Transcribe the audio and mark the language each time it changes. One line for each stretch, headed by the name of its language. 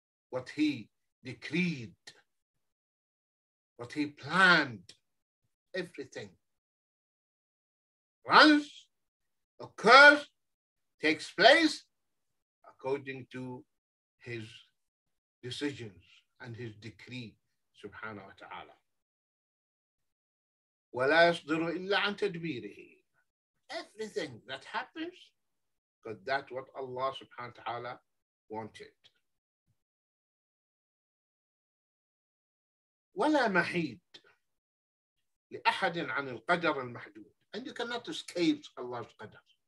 English: What he decreed, what he planned, everything runs, occurs, takes place according to his decisions and his decree, subhanahu wa ta'ala.
Arabic: وَلَا يَصْدُرُ إِلَّا عَنْ تَدْبِيرِهِ.
English: Everything that happens because that's what Allah subhanahu wa ta'ala wanted.
Arabic: وَلَا مَحِيدٌ لِأَحَدٍ عَنِ الْقَدَرِ الْمَحْدُودِ.
English: And you cannot escape Allah's qadr.